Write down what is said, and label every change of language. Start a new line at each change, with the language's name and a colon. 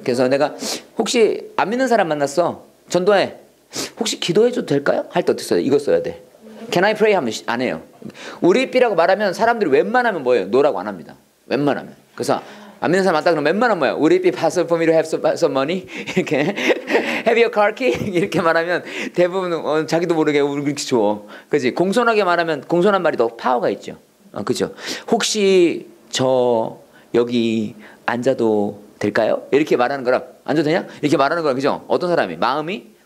Korean: 그래서 내가 혹시 안 믿는 사람 만났어. 전도해. 혹시 기도해줘도 될까요? 할 때 어떻게 써야 돼? 이거 써야 돼.
English: Can I pray?
Korean: 하면 안 해요. 우리 삐라고 말하면 사람들이 웬만하면 뭐예요? 노라고 안 합니다. 웬만하면. 그래서 안 믿는 사람 왔다 그러면 웬만하면 뭐예요?
English: Would it be possible for me to have some money?
Korean: 이렇게
English: Have your car key?
Korean: 이렇게 말하면 대부분 자기도 모르게 그렇게 좋아. 그렇지? 공손하게 말하면 공손한 말이 더 파워가 있죠. 그렇죠? 혹시 저 여기 앉아도 될까요? 이렇게 말하는 거랑 앉아도 되냐? 이렇게 말하는 거랑 그죠? 어떤 사람이? 마음이?